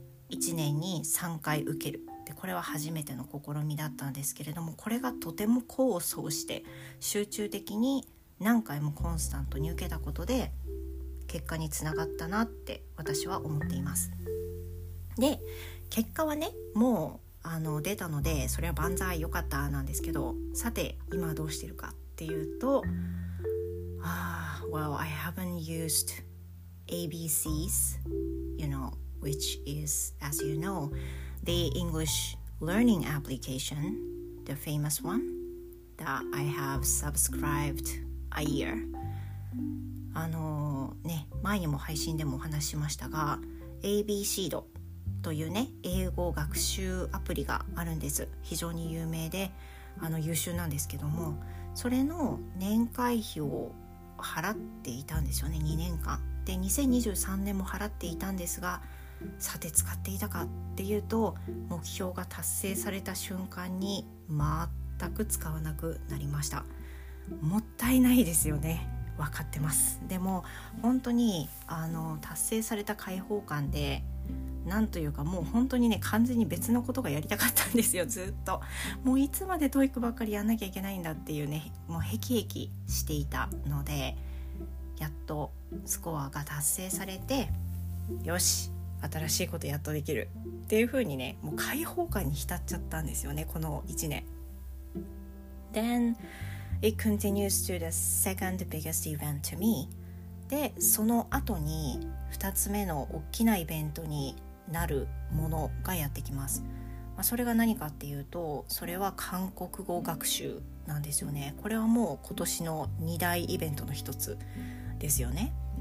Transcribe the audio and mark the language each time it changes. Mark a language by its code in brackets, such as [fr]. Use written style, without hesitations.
[ja] 1年に3回受ける、これは初めての試みだったんですけれども、これがとても功を奏して、集中的に何回もコンスタントに受けたことで結果につながったなって私は思っています。で、結果はねもう出たので、それは万歳良かったなんですけど、さて今どうしてるかっていうと、 [en] Well, I haven't used ABCs, you know, which is, as you know,The English learning application, the famous one that I have subscribed a year. [ja] ね、前にも配信でもお話しましたが、ABCD というね、英語学習アプリがあるんです。非常に有名で、優秀なんですけども、それの年会費を払っていたんですよね、2年間。で、2023年も払っていたんですが、さて使っていたかっていうと、目標が達成された瞬間に全く使わなくなりました。もったいないですよね。分かってます。でも本当に達成された解放感で、なんというかもう本当にね、完全に別のことがやりたかったんですよ。ずっともういつまでTOEICばっかりやんなきゃいけないんだっていうね、もうヘキヘキしていたので、やっとスコアが達成されて、よし新しいことやっとできるっていう風にね、もう解放感に浸っちゃったんですよね、この1年。 [en] Then it continues to the second biggest event to me. [ja] で、その後に2つ目の大きなイベントになるものがやってきます。まあ、それが何かっていうと、それは韓国語学習なんですよね。これはもう今年の2大イベントの一つですよね。